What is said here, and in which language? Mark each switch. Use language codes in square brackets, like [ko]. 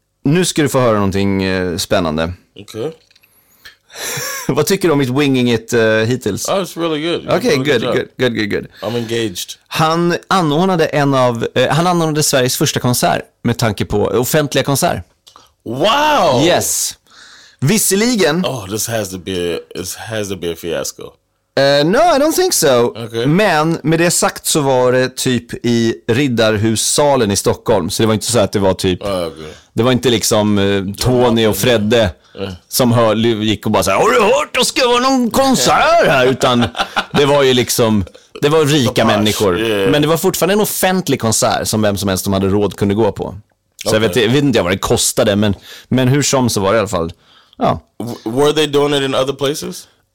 [sv] Nu ska du få höra någonting spännande. Okej. [en] Okay. [sv] Vad tycker du om mitt [en] winging it [sv] hittills? [en] Oh, it's really good. Okej, okay, good. I'm engaged. [sv] Han anordnade han anordnade Sveriges första konsert med tanke på offentliga konsert. Wow! Yes. Visserligen. [en] Oh, this has to be a fiasco. No, I don't think so. Okay. [sv] Men med det sagt så var det typ i Riddarhussalen i Stockholm, så det var inte så att det var typ det var inte liksom Tony och Fredde som gick och bara så här, har du hört att det ska vara någon konsert här, utan det var ju liksom det var rika människor. [en] Yeah. [sv] Men det var fortfarande en offentlig konsert som vem som helst som hade råd kunde gå på. Så okay. jag vet inte vad det kostade, men hur som så var det i alla fall. Ja. [en] Were they doing it in other places?